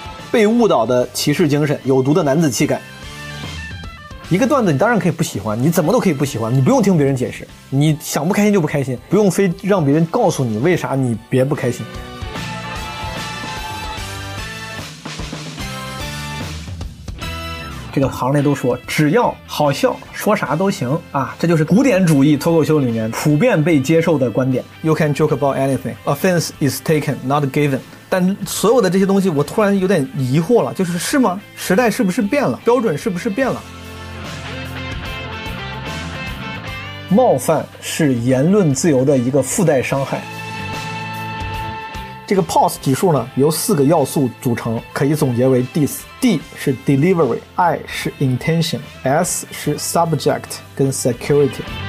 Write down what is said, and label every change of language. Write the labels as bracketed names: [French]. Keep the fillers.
[Chinese] 被误导的骑士精神，有毒的男子气概。一个段子，你当然可以不喜欢，你怎么都可以不喜欢，你不用听别人解释，你想不开心就不开心，不用非让别人告诉你为啥你别不开心。这个行内都说，只要好笑，说啥都行啊，这就是古典主义脱口秀里面普遍被接受的观点。 [English] You can joke about anything, offense is taken, not given。 [Chinese] 但所有的这些东西，我突然有点疑惑了，就是是吗？时代是不是变了？标准是不是变了？冒犯是言论自由的一个附带伤害。这个 POS 指数呢，由四个要素组成，可以总结为 D D 是 delivery，I 是 intention，S 是 subject，跟 security。